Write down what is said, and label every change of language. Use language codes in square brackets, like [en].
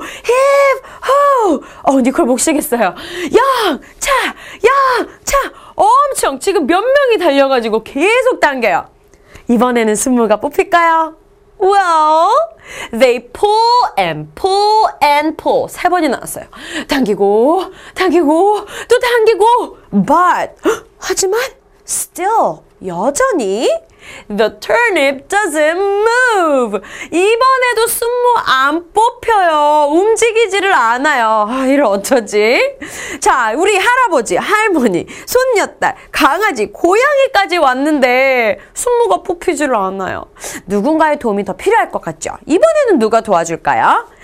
[en] Heave ho! [ko] 어, 니콜 목 쉬겠어요. 양! 차! 양! 차! 엄청! 지금 몇 명이 달려가지고 계속 당겨요. 이번에는 스무가 뽑힐까요? [en] Well, they pull and pull and pull. [ko] 세 번이 나왔어요. 당기고, 당기고, 또 당기고. [en] But, 하지만, still, 여전히, the turnip doesn't move. [ko] 이번에도 스무 안 뽑혀요. 움직이지를 않아요. 아, 이럴 어쩌지? 자, 우리 할아버지, 할머니, 손녀딸, 강아지, 고양이까지 왔는데 스무가 뽑히지를 않아요. 누군가의 도움이 더 필요할 것 같죠? 이번에는 누가 도와줄까요?